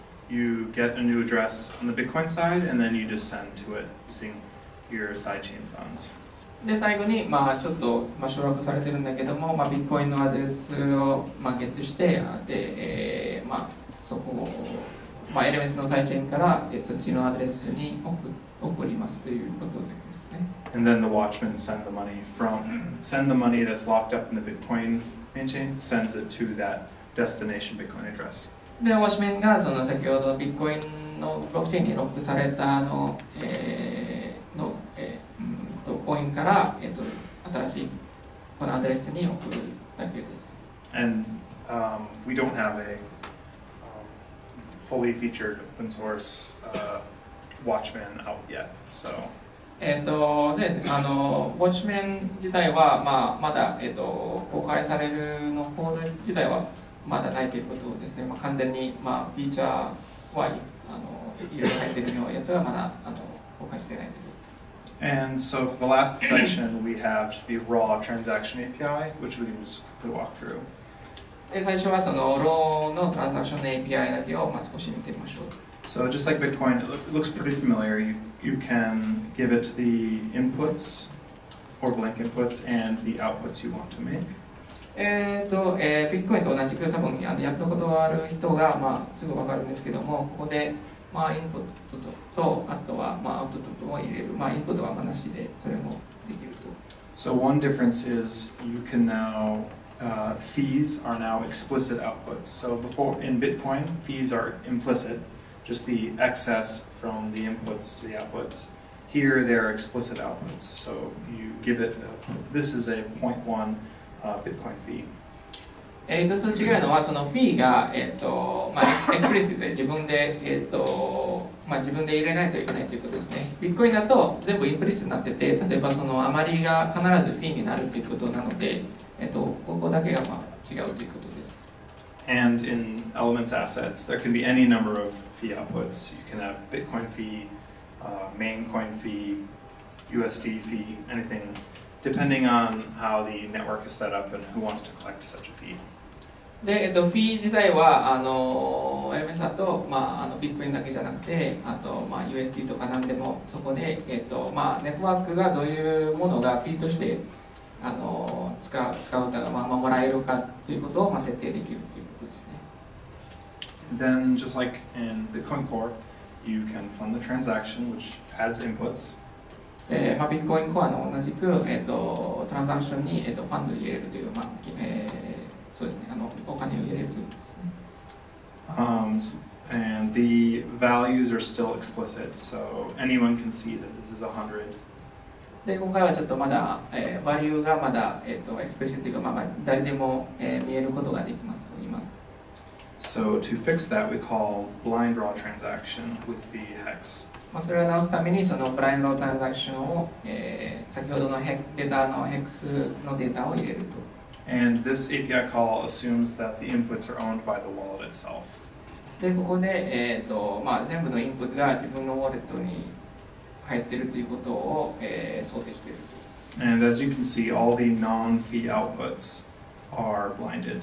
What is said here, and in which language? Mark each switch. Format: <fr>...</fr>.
<en>You get a new address on the Bitcoin side, and then you just send to it using your sidechain funds.</en> <ja>で最後にまあちょっとまあ省略されてるんだけども、まあ Bitcoin のアドレスをまあゲットして、で、まあそこをまあ LMS のサイチェーンからそっちのアドレスに送りますということですね。</ja> <en>And then the watchman send the money that's locked up in the Bitcoin main chain sends it to that. Destination Bitcoin address.</en> <ja>で、ウォッチメンがその先ほどビットコインのブロックチェーンにロックされたコインから、新しいこのアドレスに送るだけです。</ja> <en>And we don't have a fully featured open source watchman out yet, so.</en> <ja>ですね、ウォッチメン自体は、まあ、まだ、公開されるのコード自体はまだないということですね。まあ、完全に、まあ、フィーチャーはい、あの、いろいろ入ってるようなやつはまだあの公開してないということです。</ja> <en>And so for the last section, we have the raw transaction API, which we can just quickly walk through.</en> <ja>で、最初はその raw のトランザクションの API だけをまあ少し見てみましょう。</ja> <en>So just like Bitcoin, it looks pretty familiar. You can give it the inputs or blank inputs and the outputs you want to make.</en> <ja>Bitcoin と同じく多分あのやったことある人がまあすぐ分かるんですけども、ここでまあインプットととあとはまあアウトプットを入れる、まあインプットはなしでそれもできると。</ja> <en>So one difference is you can now fees are now explicit outputs. So before in Bitcoin, fees are implicit. Just the excess from the inputs to the outputs. Here there are explicit outputs. So you give it, this is a 0.1 Bitcoin fee.</en> <ja>その違うのはそのフィーが、まあ、エクスプリシットで自分で、まあ、自分で入れないといけないということですね。 Bitcoin だと全部インプリシットになってて、例えばその余りが必ずフィーになるということなので、ここだけがまあ違うということです。</ja> <en>And in Elements assets, there can be any number of fee outputs. You can have Bitcoin fee, main coin fee, USD fee, anything, depending on how the network is set up and who wants to collect such a fee.</en> <ja>で、fee 自体はあの Elements だと、まあ、あの Bitcoin だけじゃなくて、あと、まあ、USD とか何でもそこで、まあ、ネットワークがどういうものが fee としてあの使うとか、まあ、もらえるかということを、まあ、設定できるということですね。</ja> <en>Then, just like in Bitcoin Core, you can fund the transaction, which adds inputs.</en> <ja>まあ、Bitcoin Core の同じく、トランザクションに、ファンドを入れるという、まあそうですね、あのお金を入れるということですね。</ja> <en>And the values are still explicit, so anyone can see that this is 100.</en> <ja>で、今回はちょっとまだ、value がまだ、explicit というか、まあ、誰でも、見えることができます。</ja> <en>So to fix that, we call blind raw transaction with the hex.</en> <ja>まあそれを直すためにそのブラインドロー transaction を、先ほどのデータの hex のデータを入れると。</ja> <en>And this API call assumes that the inputs are owned by the wallet itself.</en> <ja>でここで、まあ、全部のインプットが自分のウォレットに入っているということを、想定している。</ja> <en>And as you can see, all the non-fee outputs are blinded.</en>